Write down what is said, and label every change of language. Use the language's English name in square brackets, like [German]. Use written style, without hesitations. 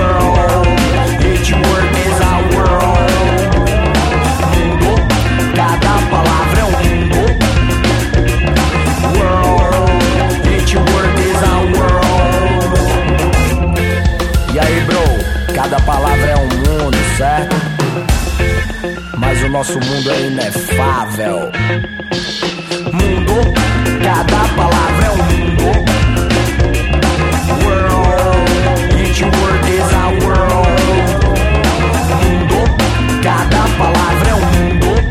[English] World, each word is a world. [Portuguese] Mundo, cada palavra é um mundo. [English] World, each word is a world. [Portuguese] E aí, bro, cada palavra é um mundo, certo? Mas o nosso mundo é inefável. Mundo, cada palavra é um mundo. [English] World, each word is a world. [Portuguese] Mundo, cada palavra é um mundo.